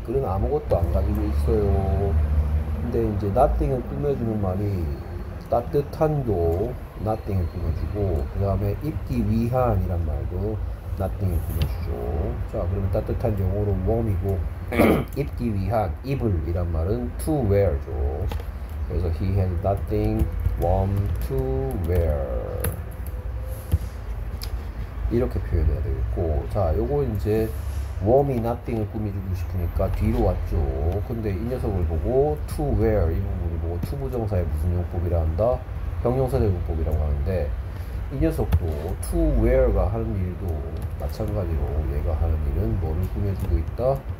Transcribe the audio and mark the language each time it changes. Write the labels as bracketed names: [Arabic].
[Korean] 그는 아무것도 안 가지고 있어요. 근데 이제 nothing을 꾸며주는 말이 따뜻한도 nothing을 꾸며주고, 그 다음에 입기 위한이란 말도 nothing을 꾸며주죠. 자, 그러면 따뜻한 영어로 warm이고, 입기 위한, 입을 이란 말은 to wear죠. [English] 그래서 he has nothing warm to wear. [Korean] 이렇게 표현해야 되겠고, 자, 요거 이제 warm이 nothing을 꾸며주고 싶으니까 뒤로 왔죠. 근데 이 녀석을 보고 to wear 이 부분을 보고 to 부정사의 무슨 용법이라 한다? 형용사적 용법이라고 하는데, 이 녀석도 to wear가 하는 일도 마찬가지로 얘가 하는 일은 뭐를 꾸며주고 있다?